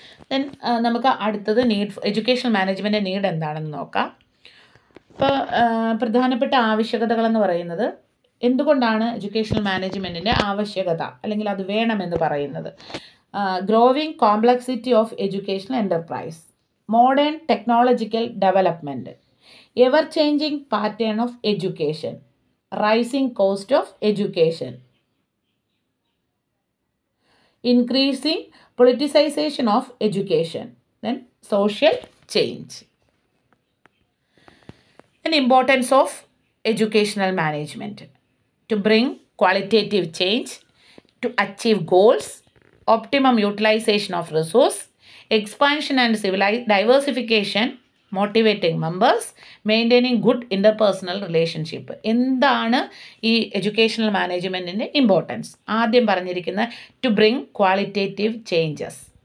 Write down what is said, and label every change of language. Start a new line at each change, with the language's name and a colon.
Malayalam: Then നമുക്ക് അടുത്തത് need educational മാനേജ്മെൻറ്റിൻ്റെ need എന്താണെന്ന് നോക്കാം. ഇപ്പോൾ പ്രധാനപ്പെട്ട ആവശ്യകതകളെന്ന് പറയുന്നത് എന്തുകൊണ്ടാണ് എഡ്യൂക്കേഷണൽ മാനേജ്മെൻറ്റിൻ്റെ ആവശ്യകത, അല്ലെങ്കിൽ അത് വേണമെന്ന് പറയുന്നത്?
English: Growing complexity of educational enterprise, modern technological development, ever changing pattern of education, rising cost of education, increasing politicization of education, then social change, and importance of educational management to bring qualitative change, to achieve goals, optimum utilization of resource, expansion and diversification, motivating members, maintaining good interpersonal relationship.
Malayalam: എന്താണ് ഈ educational മാനേജ്മെൻറ്റിൻ്റെ importance? ആദ്യം പറഞ്ഞിരിക്കുന്ന
English: To bring qualitative changes.